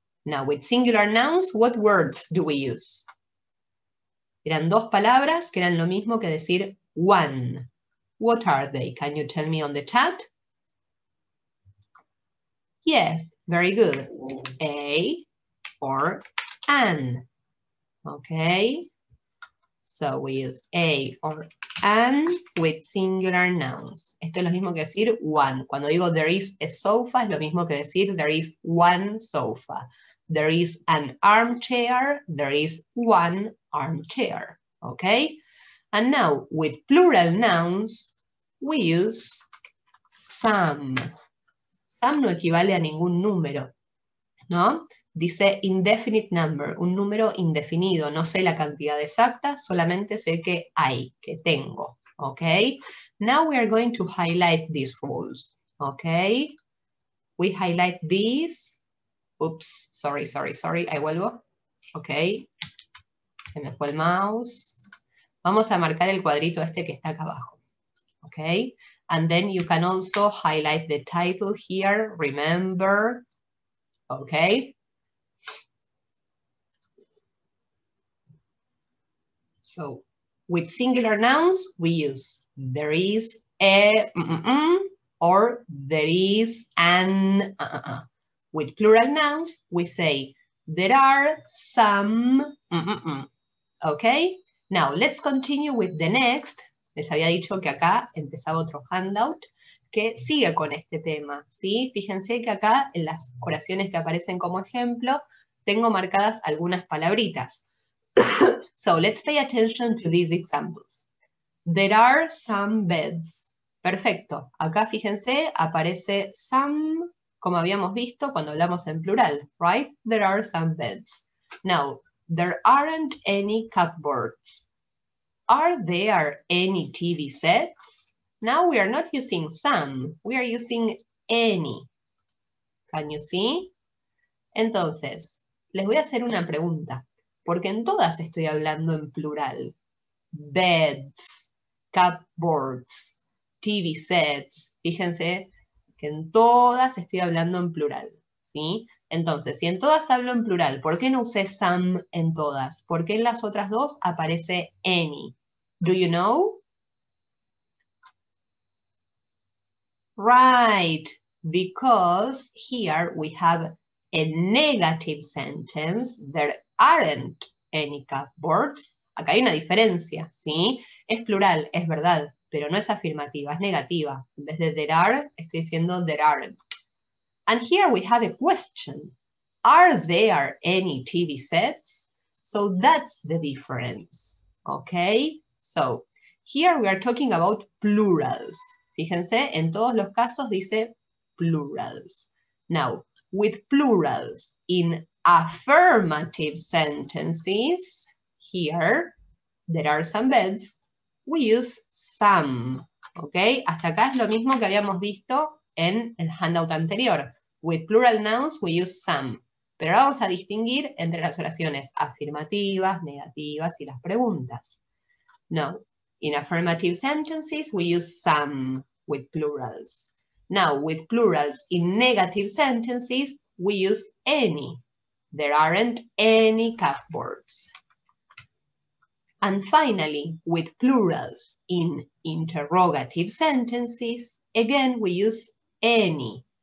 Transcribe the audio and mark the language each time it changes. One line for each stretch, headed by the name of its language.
English: Now, with singular nouns, what words do we use?
Spanish: Eran dos palabras que eran lo mismo que decir one.
English: What are they? Can you tell me on the chat? Yes, very good. A or an. Okay. So we use a or an with singular nouns.
Spanish: Esto es lo mismo que decir one. Cuando digo
English: there is a sofa,
Spanish: es lo mismo que decir
English: there is one sofa. There is an armchair, there is one armchair. Okay? And now with plural nouns, we use some.
Spanish: Some no equivale a ningún número, ¿no? Dice
English: indefinite number,
Spanish: un número indefinido. No sé la cantidad exacta, solamente sé que hay, que tengo. ¿Ok?
English: Now we are going to highlight these rules. ¿Ok? We highlight these. Oops, sorry.
Spanish: Ahí vuelvo. ¿Ok? Se me fue el mouse. Vamos a marcar el cuadrito este que está acá abajo. ¿Ok?
English: And then you can also highlight the title here. Remember. ¿Ok? So, with singular nouns, we use there is a or there is an. With plural nouns, we say there are some. Okay? Now, let's continue with the next.
Spanish: Les había dicho que acá empezaba otro handout que sigue con este tema, ¿sí? Fíjense que acá en las oraciones que aparecen como ejemplo, tengo marcadas algunas palabritas.
English: So, let's pay attention to these examples. There are some beds.
Spanish: Perfecto. Acá, fíjense, aparece
English: some
Spanish: como habíamos visto cuando hablamos en plural, right?
English: There are some beds. Now, there aren't any cupboards. Are there any TV sets? Now we are not using some, we are using any. Can you see?
Spanish: Entonces, les voy a hacer una pregunta, porque en todas estoy hablando en plural.
English: Beds, cupboards, TV sets.
Spanish: Fíjense que en todas estoy hablando en plural, ¿sí? Entonces, si en todas hablo en plural, ¿por qué no usé some en todas? ¿Por qué en las otras dos aparece any?
English: Do you know? Right, because here we have a negative sentence. There aren't any cupboards.
Spanish: Acá hay una diferencia, ¿sí? Es plural, es verdad, pero no es afirmativa, es negativa. En vez de
English: there are,
Spanish: estoy diciendo
English: there aren't. And here we have a question. Are there any TV sets? So that's the difference, okay? So, here we are talking about plurals.
Spanish: Fíjense, en todos los casos dice
English: plurals. Now, with plurals in affirmative sentences, here, there are some beds, we use some, okay?
Spanish: Hasta acá es lo mismo que habíamos visto en el handout anterior.
English: With plural nouns, we use some.
Spanish: Pero ahora vamos a distinguir entre las oraciones afirmativas, negativas y las preguntas.
English: No, in affirmative sentences, we use some with plurals. Now, with plurals in negative sentences, we use any. There aren't any cupboards. And finally, with plurals in interrogative sentences, again, we use any.